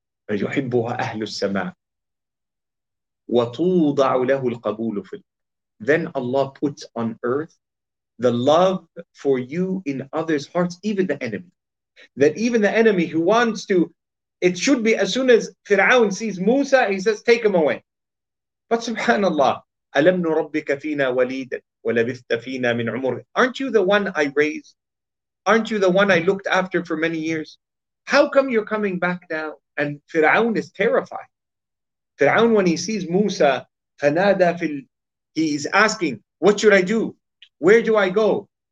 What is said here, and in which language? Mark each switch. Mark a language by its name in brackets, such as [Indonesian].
[Arabic] فَيُحِبُّهَا أَهْلُ السَّمَاءِ. وَتُوضَعُ لَهُ الْقَبُولُ فِي. [English] Then Allah puts on earth the love for you in others' hearts, even the enemy. That even the enemy who wants to, it should be as soon as Fir'aun sees Musa, he says, take him away. But subhanAllah, [Arabic] أَلَمْ نُرَبِّكَ فِينَا وَلِيدًا وَلَبِثْتَ فِينَا مِنْ عُمُرِ. [English] Aren't you the one I raised? Aren't you the one I looked after for many years? How come you're coming back now? And Fir'aun is terrified. Fir'aun, when he sees Musa, he is asking, what should I do? Where do I go?